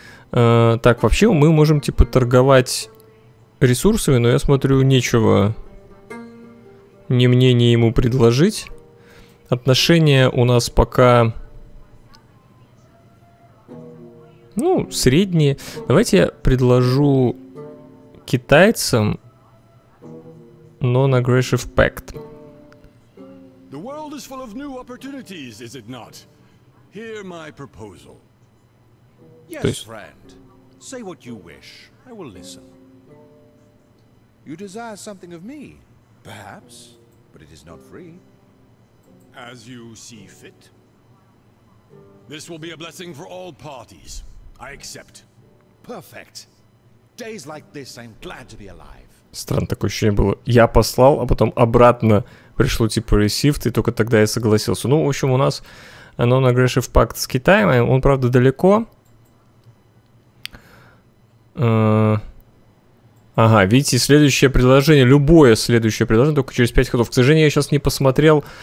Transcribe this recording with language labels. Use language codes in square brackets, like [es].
[ru] Так, вообще мы можем, типа, торговать ресурсами, но я смотрю, нечего ни мне, ни ему предложить. Отношения у нас пока... Ну, средние. Давайте я предложу китайцам... [en] Non-aggressive pact. The world is full of new opportunities, is it not? Hear my proposal. Yes, friend. Say what you wish. I will listen. You desire something of me, perhaps, but it is not free. As you see fit. This will be a blessing for all parties. I accept. Perfect. Days like this, I'm glad to be alive. [ru] Странно, такое ощущение было. Я послал, а потом обратно пришло типа received, и только тогда я согласился. Ну, в общем, у нас [en] non-aggressive pact [ru] с Китаем. Он, правда, далеко. Ага, видите, следующее предложение. Любое следующее предложение, только через 5 ходов. К сожалению, я сейчас не посмотрел.